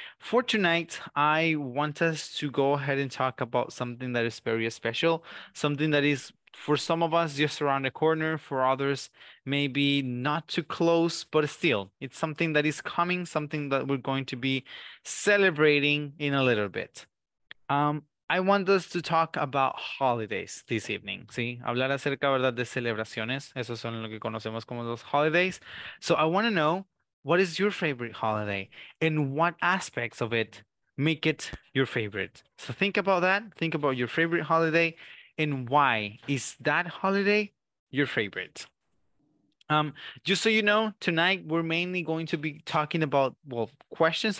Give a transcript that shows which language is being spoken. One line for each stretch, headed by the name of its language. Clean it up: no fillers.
English: For tonight, I want us to go ahead and talk about something that is very special, something that is for some of us just around the corner, for others maybe not too close, but still, it's something that is coming, something that we're going to be celebrating in a little bit. I want us to talk about holidays this evening, ¿sí?
Spanish: Hablar acerca, ¿verdad?, de celebraciones. Esos son lo que conocemos como los holidays.
English: So I want to know, what is your favorite holiday and what aspects of it make it your favorite? So think about that. Think about your favorite holiday and why is that holiday your favorite? Just so you know, tonight we're mainly going to be talking about, well, questions.